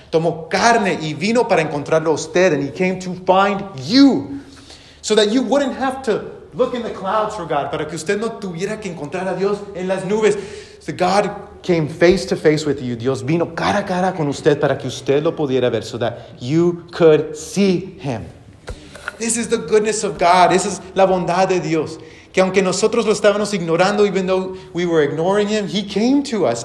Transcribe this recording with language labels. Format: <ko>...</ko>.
<es>Tomó carne y vino para encontrarlo a usted.</es> <en>And he came to find you. So that you wouldn't have to look in the clouds for God.</en> <es>Para que usted no tuviera que encontrar a Dios en las nubes.</es> <en>So God came face to face with you.</en> <es>Dios vino cara a cara con usted para que usted lo pudiera ver,</es> <en>so that you could see him. This is the goodness of God. This is</en> <es>la bondad de Dios. Que aunque nosotros lo estábamos ignorando,</es> <en>even though we were ignoring him, he came to us.</en>